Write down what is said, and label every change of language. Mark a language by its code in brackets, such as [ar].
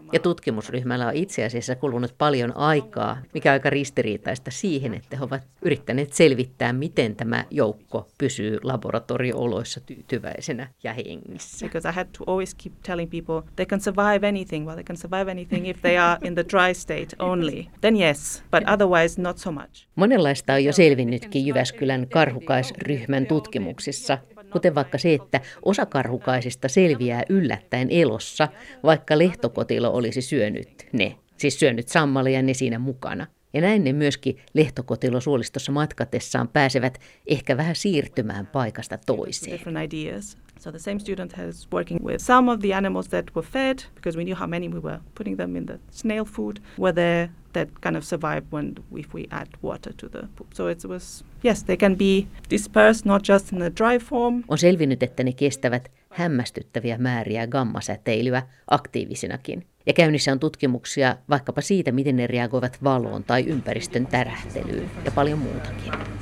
[fi] Ja tutkimusryhmällä on itse asiassa kulunut paljon aikaa, mikä aika ristiriitaista siihen, että he ovat yrittäneet selvittää, miten tämä joukko pysyy laboratorio-oloissa tyytyväisenä ja hengissä. [en] Because I had to always keep telling people they can survive anything, well they can survive anything if they are in the dry state only. Then yes, but otherwise not so much. [fi] Monenlaista on jo selvinnytkin Jyväskylän karhukaisryhmän tutkimuksissa, kuten vaikka se, että osa karhukaisista selviää yllättäen elossa, vaikka lehtokotilo olisi syönyt ne, siis syönyt sammalia ne siinä mukana. Ja näin ne myöskin lehtokotilo suolistossa matkatessaan pääsevät ehkä vähän siirtymään paikasta toiseen. [en] So the same student has working with some of the animals that were fed, because we knew how many we were putting them in the snail food, were there that kind of survived when if we add water to the poop. So it was, yes, they can be dispersed, not just in a dry form. [fi] On selvinnyt, että ne kestävät hämmästyttäviä määriä gammasäteilyä aktiivisinakin. Ja käynnissä on tutkimuksia vaikkapa siitä, miten ne reagoivat valoon tai ympäristön tärähtelyyn ja paljon muutakin.